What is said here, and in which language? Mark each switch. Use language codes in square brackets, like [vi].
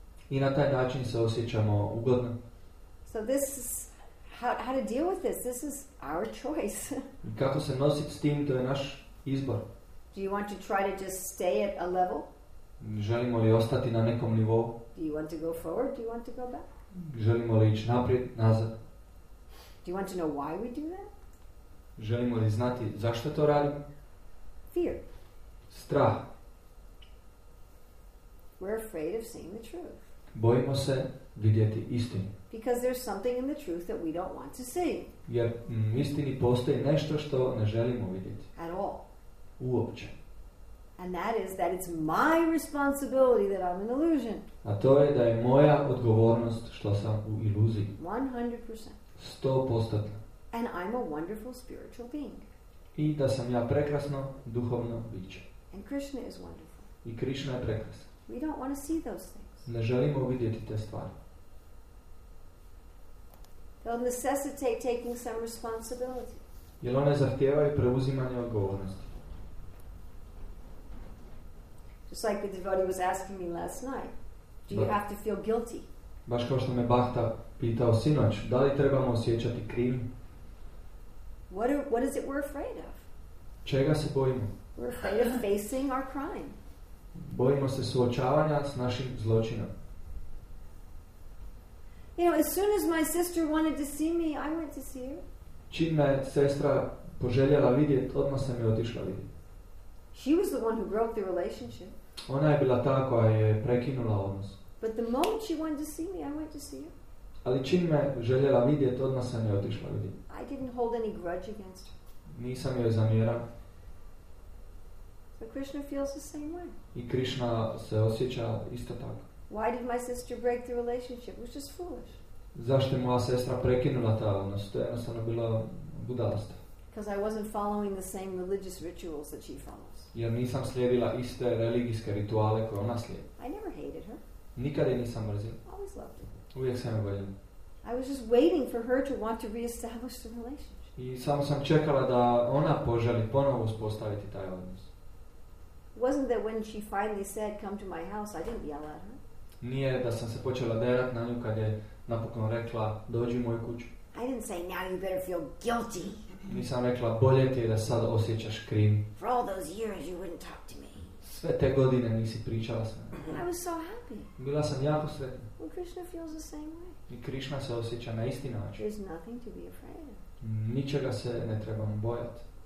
[hr] I na taj način se osjećamo ugodno. [en] So this is how to deal with this. This is our choice. [hr] Kako se nositi s tim, to je naš izbor. [en] Do you want to try to just stay at a level? [hr] Želimo li ostati na nekom nivou? [en] Do you want to go forward? Do you want to go back? [hr] Želimo li ići naprijed, nazad? [en] Do you want to know why we do that? [hr] Želimo li znati zašto to radimo? [en] Fear. [hr] Strah. [en] We're afraid of seeing the truth. [hr] Bojimo se vidjeti istinu. [en] Because there's something in the truth that we don't want to see. [hr] Jer u istini postoji nešto što ne želimo vidjeti. [en] At all. [hr] Uopće. [en] And that is that it's my responsibility that I'm an illusion. [hr] A to je da je moja odgovornost što sam u iluziji. [en] 100%. [hr] 100%. [en] And I'm a wonderful spiritual being. [hr] I da sam ja prekrasno duhovno biće. [en] And Krishna is wonderful. [hr] I Krishna je prekrasna. [en] We don't want to see those things. [hr] Ne želimo vidjeti te stvari. [en] They'll necessitate taking some responsibility. [hr] Jer one zahtijevaju preuzimanje odgovornosti. [en] Just like the devotee was asking me last night, do you have to feel guilty? [hr] Baš kao što me Bahta pitao sinoć, da li trebamo osjećati krivim? [en] What is it we're afraid of? [hr] Čega se bojimo? [en] We're afraid of facing our crime. [hr] Bojimo se suočavanja s našim zločinom. [en] You know, as soon as my sister wanted to see me, I went to see her. [hr] Čim me sestra poželjela vidjeti, odmah sam je otišla vidjeti. [en] She was the one who broke the relationship. [hr] Ona je bila ta koja je prekinula odnos. [en] But the moment she wanted to see me, I went to see her. [hr] Ali čim me željela vidjeti, odmah sam je otišla vidjeti. [en] I didn't hold any grudge against her. [hr] Nisam joj zamjera. [en] So Krishna feels the same way. [hr] I Krishna se osjeća isto tako. [en] Why did my sister break the relationship? It was just foolish. [hr] Zašto je moja sestra prekinula ta odnos? To je jednostavno bilo budalstvo. [en] Because I wasn't following the same religious rituals that she follows. [hr] Jer nisam slijedila iste religijske rituale koje ona slijedi. [en] I never hated her. [hr] Nikad je nisam mrzio. [en] Always loved her. [hr] Uvijek sam je voljela. [en] I was just waiting for her to want to reestablish the relationship. [hr] I samo sam čekala da ona poželi ponovo uspostaviti taj odnos. [en] Wasn't that when she finally said come to my house, I didn't yell at her. [hr] Nije da sam se počela derat na nju kad je napokon rekla dođi u moju kuću. [en] I didn't say now you better feel guilty. [hr] Nisam rekla bolje ti je da sad osjećaš krim. [en] For all those years you wouldn't talk to me. [hr] Sve te godine nisi pričala sa mnom. [en] I was so happy. [hr] Bila sam jako sretna. [en] Well, Krishna feels the same way. [hr] I Krishna se osjeća na isti način. [en] There's nothing to be afraid of. [hr] Ničega se ne trebamo bojati.